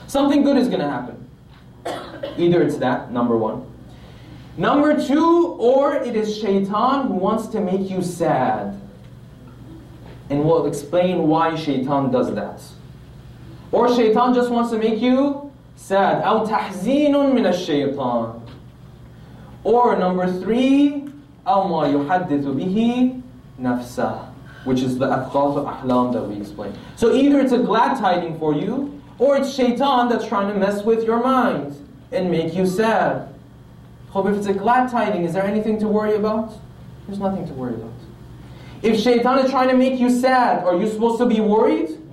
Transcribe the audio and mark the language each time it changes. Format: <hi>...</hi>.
<en>Something good is going to happen. Either it's that, number one. Number two, or it is shaitan who wants to make you sad. And we'll explain why shaitan does that. Or shaitan just wants to make you sad.</en> <ar>أَوْ تَحْزِينٌ مِنَ الشَّيْطَانِ.</ar> <en>Or number three,</en> <ar>أَوْ مَا يُحَدِّثُ بِهِ نَفْسَهُ.</ar> <en>Which is the</en> <ar>أَفْقَاثُ أَحْلَامُ</ar> <en>that we explained. So either it's a glad tiding for you, or it's shaitan that's trying to mess with your mind and make you sad. Hope if it's a glad tiding, is there anything to worry about? There's nothing to worry about. If shaitan is trying to make you sad, are you supposed to be worried?</en>